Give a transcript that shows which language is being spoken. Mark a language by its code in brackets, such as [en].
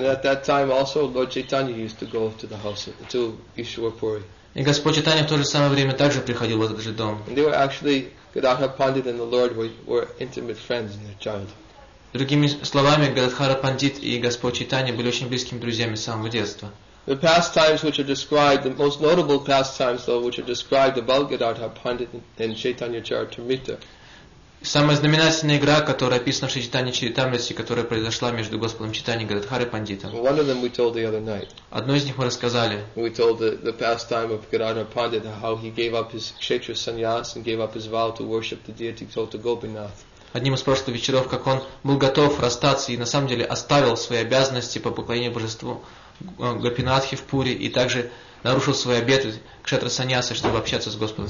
[en] And at that time also Lord Chaitanya used to go to the house to Ishwarpuri. [ru] И Господь Чайтанья в то же самое время также приходил в этот же дом. [en] And they were actually Gadadhara Pandit and the Lord were intimate friends in their childhood. [ru] Другими словами, Гададхара Пандит и Господь Чайтанья были очень близкими друзьями с самого детства. [en] The pastimes which are described, the most notable pastimes though, which are described about Gadadhara Pandit and Chaitanya Charitamrita. [ru] Самая знаменательная игра, которая описана в Шри Чайтанья Чаритамрите, которая произошла между Господом Чайтаньей и Гададхарой Пандитом. [en] One of them we told the other night. [ru] Одно из них мы рассказали. [en] We told the pastime of Gadadhara Pandit, how he gave up his kshetra sannyas and gave up his vow to worship the deity Tota Gopinath. [ru] Одним из прошлых вечеров, как он был готов расстаться и на самом деле оставил свои обязанности по поклонению божеству Гопинатхи в Пури и также нарушил свой обет кшетра саньяса, чтобы общаться с Господом